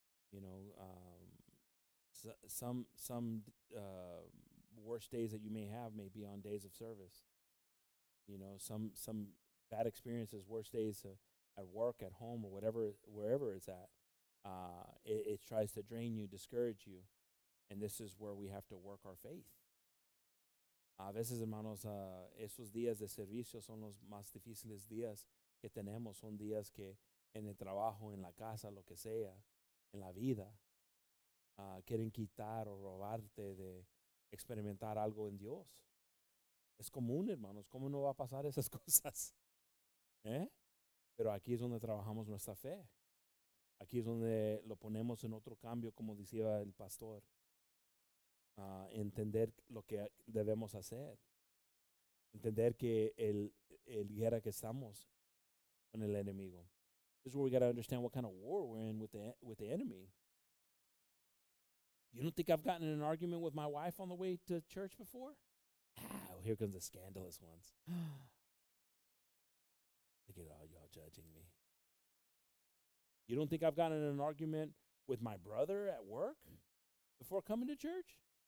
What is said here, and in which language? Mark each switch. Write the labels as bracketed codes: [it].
[en] You know, some worst days that you may have may be on days of service. You know, some bad experiences, worst days at work, at home, or whatever, wherever it's at, it tries to drain you, discourage you, and this is where we have to work our faith. [es] A veces, hermanos, esos días de servicio son los más difíciles días que tenemos. Son días que en el trabajo, en la casa, lo que sea, en la vida, quieren quitar o robarte de experimentar algo en Dios. Es común, hermanos. ¿Cómo no va a pasar esas cosas? ¿Eh? Pero aquí es donde trabajamos nuestra fe. Aquí es donde lo ponemos en otro cambio, como decía el pastor. Entender lo que debemos hacer. Entender que el guerra que estamos con el enemigo. [en] This is where we got to understand what kind of war we're in with the enemy. You don't think I've gotten in an argument with my wife on the way to church before? Ah, here comes the scandalous ones. Look at all y'all judging me. You don't think I've gotten in an argument with my brother at work before coming to church?